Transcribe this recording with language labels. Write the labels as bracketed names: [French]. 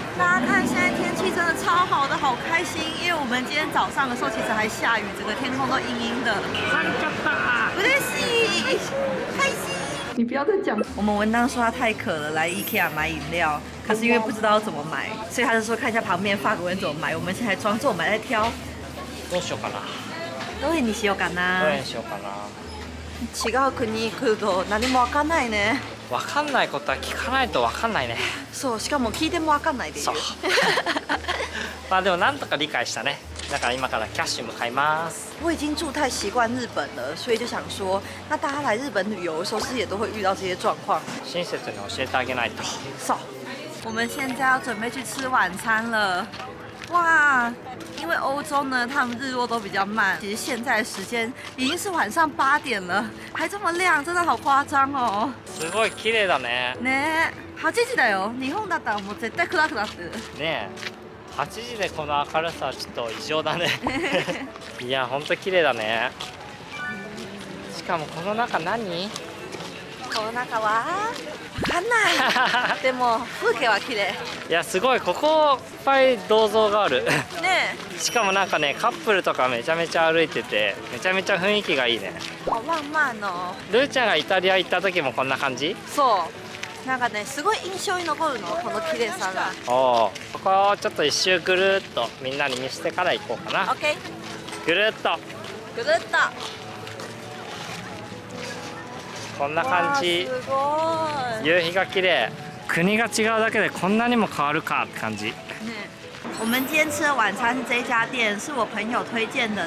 [Chinese] 大家看，现在天气真的超好的，好开心。因为我们今天早上的时候其实还下雨，整个天空都阴阴的。参加吧，不对，是开心。你不要再讲。我们文当说他太渴了，来 IKEA 买饮料，可是因为不知道怎么买，所以他就说看一下旁边法国人怎么买。我们现在装作我们在挑。 [Japanese] どうしようかな。どれにしようかな。どれにしようかな。違う国行くと何も分かんないね。分かんないことは聞かないと分かんないね。そう、しかも聞いても分かんないでしょ。そう。まあでもなんとか理解したね。だから今からキャッシュ向かいます。 [Chinese] 我已经住太习惯日本了，所以就想说，那大家来日本旅游的时候，是不是也都会遇到这些状况？ [Japanese] 親切に教えてあげないと。そう。 [Chinese] 我们现在要准备去吃晚餐了。哇，因为欧洲呢，他们日落都比较慢。其实现在的时间已经是晚上八点了，还这么亮，真的好夸张哦。 [Japanese] すごい綺麗だね。ね、八時だよ。日本だったらもう絶対暗くなってる。ね、八時でこの明るさはちょっと異常だね。いや、本当綺麗だね。しかもこの中何？この中は。わかんない。でも風景は綺麗。いやすごい、ここいっぱい銅像があるね。しかもなんかね、カップルとかめちゃめちゃ歩いてて、めちゃめちゃ雰囲気がいいね。 [Chinese] 好浪漫哦。 [Japanese] ルーちゃんがイタリア行った時もこんな感じ？そう、なんかね、すごい印象に残るの、この綺麗さが。おお、ここをちょっと一周ぐるっとみんなに見せてから行こうかな。 [English] OK、 [Japanese] ぐるっとぐるっとこんな感じ。わすごい、夕日が綺麗。国が違うだけでこんなにも変わるかって感じ。 [Chinese] 我们今天吃的晚餐是这家店，是我朋友推荐的。